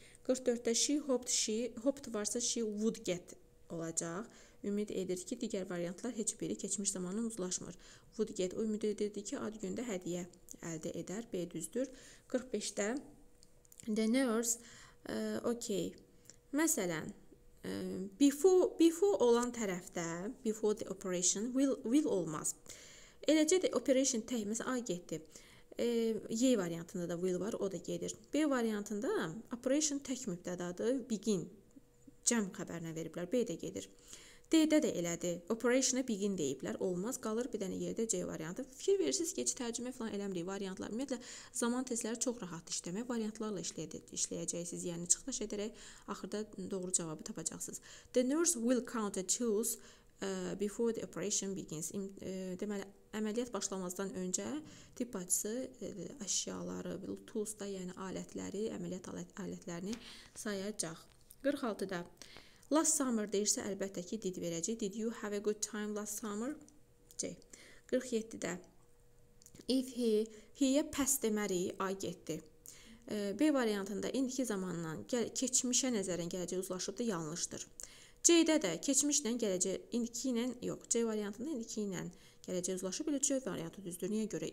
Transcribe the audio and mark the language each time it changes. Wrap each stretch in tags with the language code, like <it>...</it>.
<az>44-də,</az> <en>she hoped</en> <az>varsa</az> <en>she would get</en> <az>olacaq. Ümid edir ki, digər variantlar heç biri keçmiş zamanın uzlaşmır.</az> <en>Would get,</en> <az>ümid edirdi ki, ad gündə hədiyə əldə edər, B düzdür. 45-də, the nurse, okay, məsələn, before olan tərəfdə,</az> <en>before the operation,</en> <az>will olmaz. Eləcə də operation tək, məsələn, A getdi. E variantında da will var, o da gedir. B variantında operation tək mübtədadır, begin, cəm xəbərinə veriblər, B də gedir. D-də də elədi, operationa begin deyiblər, olmaz, qalır bir dənə yerdə C variantı. Fikir verirsiniz ki, heç tərcümə falan eləmirik variantlar. Ümumiyyətlə, zaman testləri çox rahat işləmək, variantlarla işləyəcəksiniz, yəni çıxdaş edərək, axırda doğru cavabı tapacaqsınız.</az> <en>The nurse will count the tools before the operation begins.</en> <az>Deməli, əməliyyat başlamazdan öncə tibb bacısı əşyaları, tools da, yəni alətləri, əməliyyat alətlərini sayacaq. 46-da.</az> <en>Last summer</en> <az>deyirsə, əlbəttə ki, did verəcək.</az> <en>Did you have a good time last summer?</en> <az>C. 47-də.</az> <en>If he pass</en> <az>deməri, A getdi. B variantında indiki zamanla keçmişə nəzərən gələcək uzlaşıb da yanlışdır. C-də də keçmişlə gələcək, indiki ilə yox. C variantında indiki ilə gələcək uzlaşıb, elə C variantı düzdür. Niyə görə?</az>